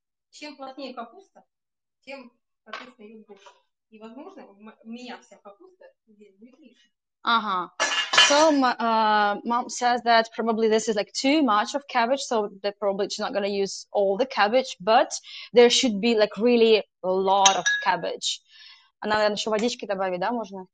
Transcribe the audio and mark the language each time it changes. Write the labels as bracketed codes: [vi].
[ru] Чем плотнее капуста, тем, соответственно, ее больше. И, возможно, у меня вся капуста здесь будет лишней. [en] So mom says that probably this is like too much of cabbage, so they're probably not going to use all the cabbage, but there should be like really a lot of cabbage. [ru] Она, наверное, еще водички добавить, да, можно?